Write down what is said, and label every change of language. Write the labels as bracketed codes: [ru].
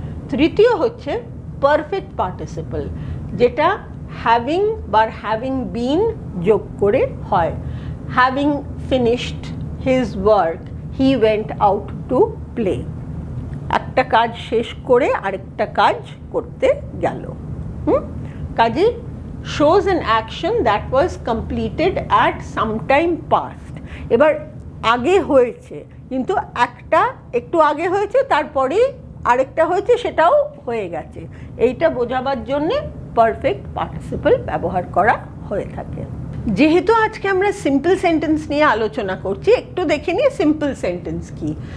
[bn] তৃতীয় হচ্ছে perfect participle, যেটা হ্যাভিং বা হ্যাভিং বিন যোগ করে হয়, [en] Having finished his work, he went out to play. [bn] একটা কাজ শেষ করে আরেকটা কাজ করতে গেল। [en] কাজে shows an action that was completed at some time past. [bn] এবার আগে হয়েছে, কিন্তু একটা একটু আগে হয়েছে, তারপরেই আরেকটা হয়েছে, সেটাও হয়ে গেছে। এইটা বোঝাবার জন্যে পারফেক্ট পার্টিসিপল ব্যবহার করা হয়ে থাকে। যেহেতু আজকে আমরা সিম্পল সেন্টেন্স নিয়ে আলোচনা করছি, একটু দেখে নিই সিম্পল সেন্টেন্স কি।